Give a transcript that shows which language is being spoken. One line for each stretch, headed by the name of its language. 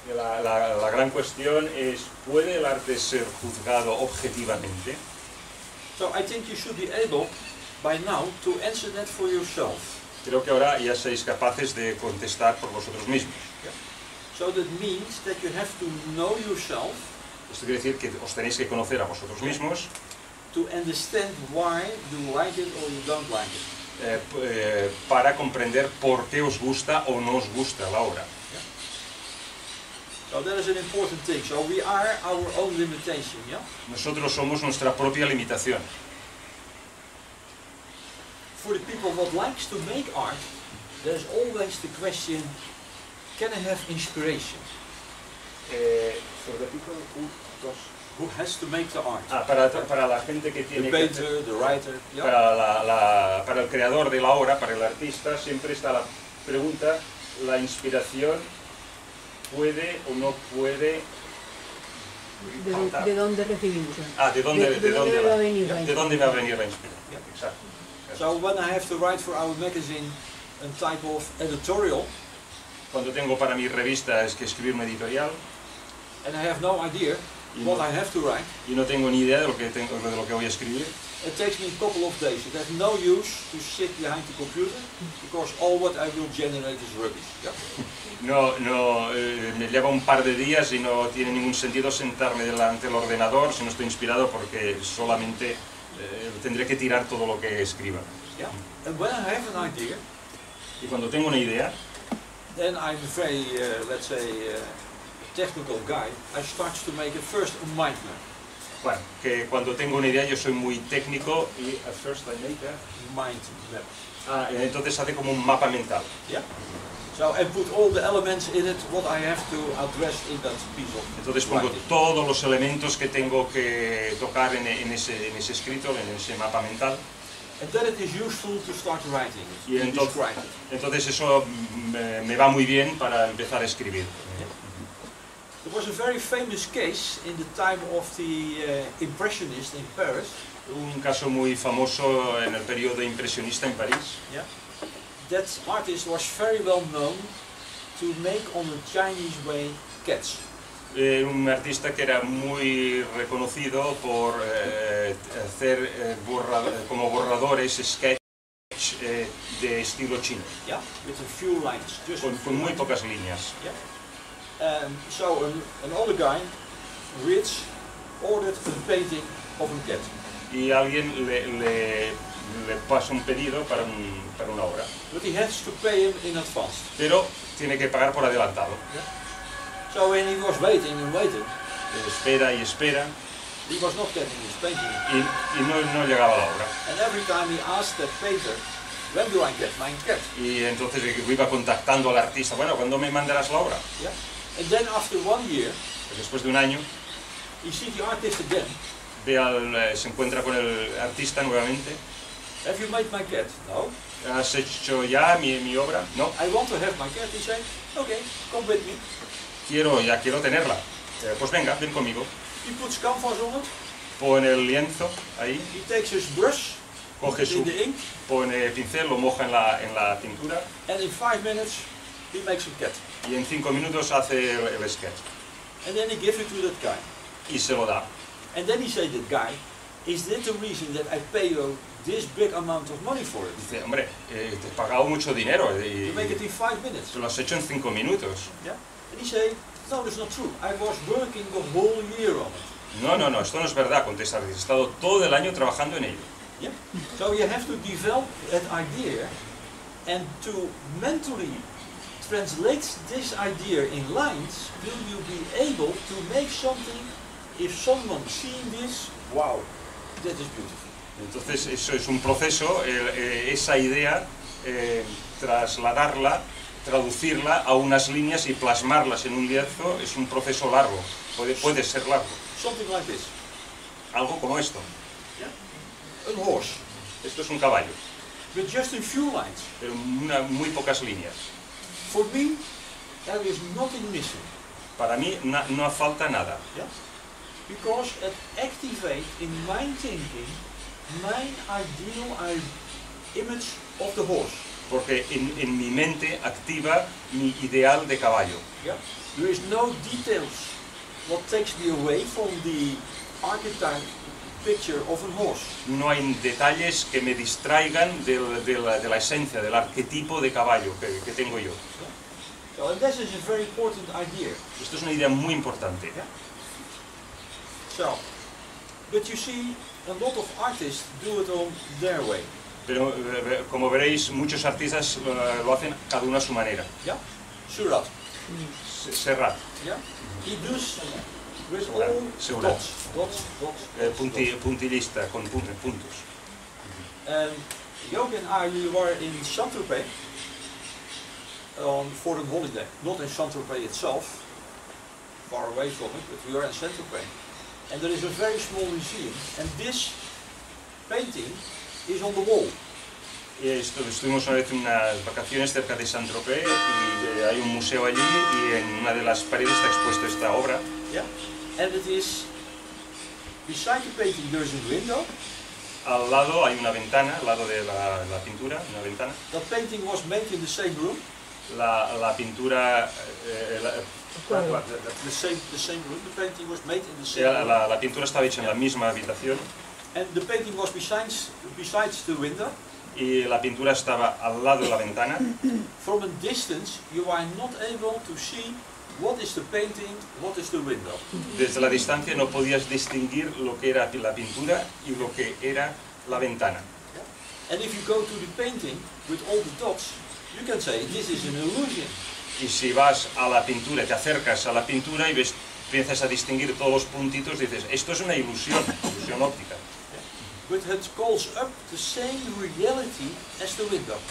Spanish: La gran cuestión es, ¿puede el arte ser juzgado objetivamente?
English: So, I think you should be able by now to answer that for yourself.
Spanish: Creo que ahora ya seis capaces de contestar por vosotros mismos.
English: Yeah. So that means that you have to know yourself
Spanish: Esto quiere decir que os tenéis que conocer a vosotros mismos.
English: To understand why you like it or you don't like it.
Spanish: Para comprender por qué os gusta o no os gusta la obra.
English: So that is an important thing. So we are our own limitation, yeah?
Spanish: Nosotros somos nuestra propia limitación.
English: For the people that likes to make art, there is always the question, can I have inspiration? For the people who has to make the art.
Spanish: Para la gente que tiene
English: the painter, the writer, yeah?
Spanish: Para el creador de la obra, para el artista, siempre está la pregunta, la inspiración. ¿Puede o no puede de dónde recibimos? Ah, ¿De dónde va a venir la inspiración?
English: Yeah. Exactly. So when I have to write for our magazine a type of editorial,
Spanish: cuando tengo para mi revista es que escribir un editorial,
English: and I have no idea what I have to write,
Spanish: y no tengo ni idea de lo que tengo, de lo que voy a escribir,
English: it takes me a couple of days. It has no use to sit behind the computer because all what I will generate is rubbish. Yeah.
Spanish: Me lleva un par de días y no tiene ningún sentido sentarme delante del ordenador si no estoy inspirado porque solamente tendré que tirar todo lo que escriba.
English: Yeah. And when I have an idea,
Spanish: y cuando tengo una idea,
English: then I'm a very, let's say, technical guy. I start to make a first a mind map.
Spanish: Bueno, que cuando tengo una idea yo soy muy técnico y
English: at first I make a mind map.
Spanish: Ah, entonces hace como un mapa mental.
English: Yeah. So I put all the elements in it what I have to address in that piece of.
Spanish: Entonces pongo todos los elementos que tengo que tocar en ese escrito, en ese mapa mental.
English: And then it is useful to start writing.
Spanish: Y entonces eso me va muy bien para empezar a escribir.
English: There was a very famous case in the time of the impressionist in Paris.
Spanish: Un caso muy famoso en el periodo impresionista en París.
English: Yeah. That artist was very well known to make on a Chinese way cats.
Spanish: Un artista que era muy reconocido por hacer borradores sketch de estilo chino.
English: Yeah, with a few lines. Just
Spanish: con muy pocas líneas.
English: Yeah. So an older guy, rich, ordered a painting of a cat.
Spanish: Y alguien le pasa un pedido para una obra.
English: But he has to pay him in advance.
Spanish: Pero tiene que pagar por adelantado.
English: Yeah. So when he was waiting and waiting,
Spanish: espera y espera,
English: he was not getting his painting.
Spanish: Y no llegaba la obra.
English: And every time he asked the painter, when do I get my cat?
Spanish: Y entonces iba contactando al artista, bueno, ¿cuándo me mandarás la obra?
English: Yeah. And then after one year,
Spanish: después de un año,
English: he sees the artist again.
Spanish: Se encuentra con el artista nuevamente.
English: Have you made my cat? No.
Spanish: ¿Has hecho ya mi obra? No.
English: I want to have my cat, he said. Okay, come with me.
Spanish: Quiero tenerla. Pues venga, ven conmigo.
English: He puts canvas on it.
Spanish: Pone el lienzo ahí.
English: He takes his brush.
Spanish: Coge
English: in the ink.
Spanish: Pone el pincel, lo moja en la pintura.
English: And in 5 minutes, he makes a cat.
Spanish: Y en 5 minutos hace el sketch.
English: And then he gives it to that guy.
Spanish: Y se lo da.
English: And then he said, "That guy, is that the reason that I pay you this big amount of money for it?"
Spanish: Dice, hombre, te he pagado mucho dinero.
English: You make it in 5 minutes.
Spanish: Lo has hecho en 5 minutos.
English: Yeah. And he said, "No, that's not true. I was working the whole year on it."
Spanish: No, esto no es verdad. Contesta, he estado todo el año trabajando en ello.
English: Yeah. So you have to develop that idea and to mentally translate this idea in lines. Will you be able to make something? If someone sees this, wow, that is beautiful.
Spanish: Entonces eso es un proceso, esa idea, trasladarla, traducirla a unas líneas y plasmarlas en un lienzo, es un proceso largo, puede ser largo.
English: Something like this.
Spanish: Algo como esto.
English: Yeah. A horse.
Spanish: Esto es un caballo.
English: But just a few lines.
Spanish: Pero muy pocas líneas.
English: For me, there is nothing missing.
Spanish: Para mí no falta nada.
English: Yeah. Because it activates in my thinking my ideal image of the horse.
Spanish: Porque en mi mente activa mi ideal de caballo.
English: Yeah. There is no details what takes me away from the archetype picture of a horse.
Spanish: No hay detalles que me distraigan de la esencia, del arquetipo de caballo que tengo yo.
English: Yeah. So, and this is a very important idea.
Spanish: Esto es una idea muy importante.
English: Yeah. yourself. But you see, a lot of artists do it on their way.
Spanish: Pero como veréis, muchos artistas lo hacen cada uno a su manera.
English: Yeah. Surat. Serrat. Yeah. He does with all Surat. Dots. Dots. Dots.
Spanish: Puntillista con puntos.
English: And Jok and I, we were in Saint-Tropez for a holiday. Not in Saint-Tropez itself, far away from it, but we were in Saint-Tropez. And there is a very small museum, and this painting is on the wall.
Spanish: Estuvimos una vez en unas vacaciones cerca de Saint-Tropez y hay un museo allí y en una de las paredes está expuesto esta obra.
English: Yeah. And it is beside the painting there is a window.
Spanish: Al lado hay una ventana, al lado de la pintura, una ventana.
English: The painting was made in the same room.
Spanish: La pintura
English: the same room. The painting was made in the same room.
Spanish: La pintura estaba hecha en la misma habitación.
English: And the painting was besides the window.
Spanish: Y la pintura estaba al lado de la ventana.
English: From a distance, you are not able to see what is the painting, what is the window.
Spanish: Desde la distancia no podías distinguir lo que era la pintura y lo que era la ventana.
English: Yeah. And if you go to the painting with all the dots, you can say this is an illusion.
Spanish: Y si vas a la pintura, te acercas a la pintura y ves, empiezas a distinguir todos los puntitos, dices esto es una ilusión, ilusión óptica.
English: But it calls up the same reality as the window.